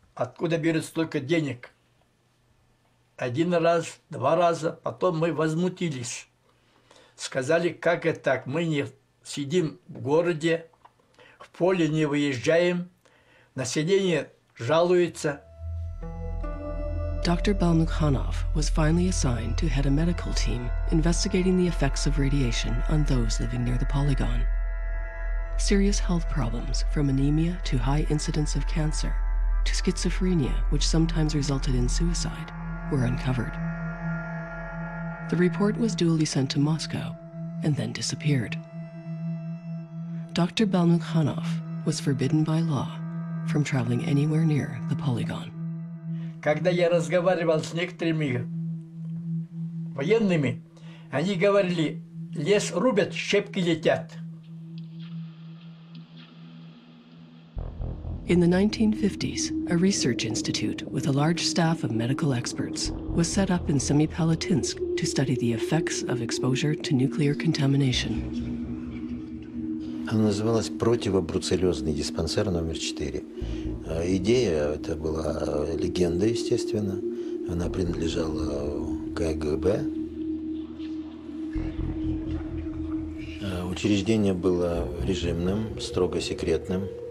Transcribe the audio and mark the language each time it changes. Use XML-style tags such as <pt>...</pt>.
<ru>Откуда берут столько денег? Один раз, два раза, потом мы возмутились. Сказали, как это так, мы не сидим в городе, в поле не выезжаем, население жалуется.</ru> <en>Dr. Belmukhanov was finally assigned to head a medical team investigating the effects of radiation on those living near the polygon. Serious health problems, from anemia to high incidence of cancer, to schizophrenia, which sometimes resulted in suicide, were uncovered. The report was duly sent to Moscow and then disappeared. Dr. Belmukhanov was forbidden by law from traveling anywhere near the polygon.</en> <ru>Когда я разговаривал с некоторыми военными, они говорили, лес рубят, щепки летят.</ru> <en>In the 1950s, a research institute with a large staff of medical experts was set up in Semipalatinsk to study the effects of exposure to nuclear contamination.</en> <ru>Она называлась противобруцеллезный диспансер номер 4. Идея, это была легенда, естественно. Она принадлежала КГБ. Учреждение было режимным, строго секретным.</ru>